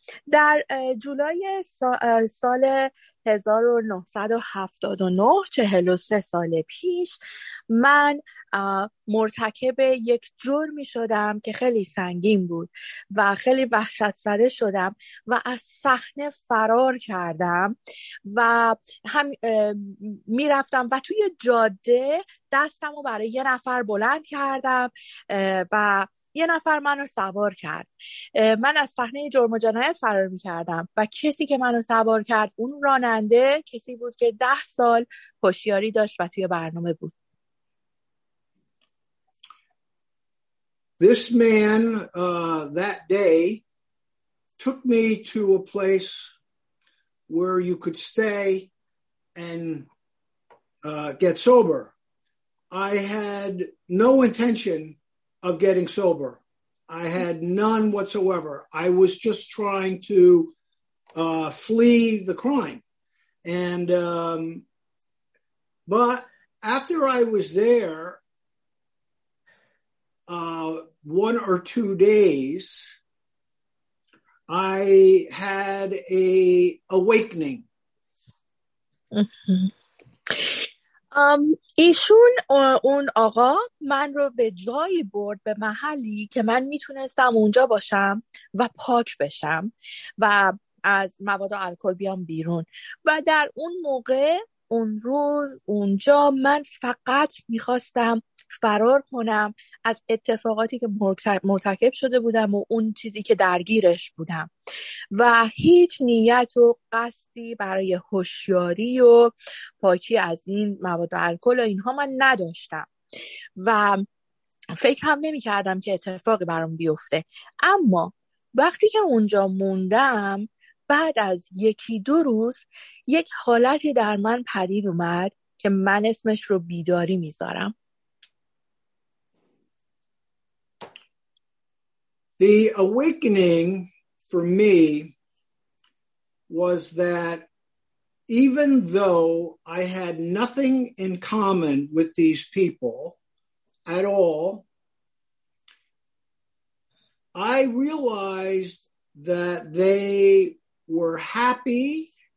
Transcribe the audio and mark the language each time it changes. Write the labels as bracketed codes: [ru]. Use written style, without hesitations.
[fa] در جولای سال 1979 43 سال پیش من مرتکب یک جرمی شدم که خیلی سنگین بود و خیلی وحشت زده شدم و از صحنه فرار کردم و هم می رفتم و توی جاده دستم رو برای یه نفر بلند کردم و یه نفر منو سوار کرد. من از صحنه جرم و جنایت فرار می‌کردم و کسی که منو سوار کرد اون راننده کسی بود که 10 سال هوشیاری داشت و توی برنامه بود. [en] This man that day took me to a place where you could stay and get sober. I had no intention of getting sober. I had none whatsoever. I was just trying to flee the crime. And but after I was there one or two days, I had a awakening. [fa] ایشون اون آقا من رو به جایی برد به محلی که من میتونستم اونجا باشم و پاک بشم و از مواد الکل بیام بیرون و در اون موقع اون روز اونجا من فقط میخواستم فرار کنم از اتفاقاتی که مرتکب شده بودم و اون چیزی که درگیرش بودم و هیچ نیت و قصدی برای هوشیاری و پاکی از این مواد الکل و اینها من نداشتم و فکر هم نمی کردم که اتفاقی برام بیفته. اما وقتی که اونجا موندم بعد از یکی دو روز یک حالتی در من پدید اومد که من اسمش رو بیداری میذارم. [en] The awakening for me was that even though I had nothing in common with these people at all, I realized that they were happy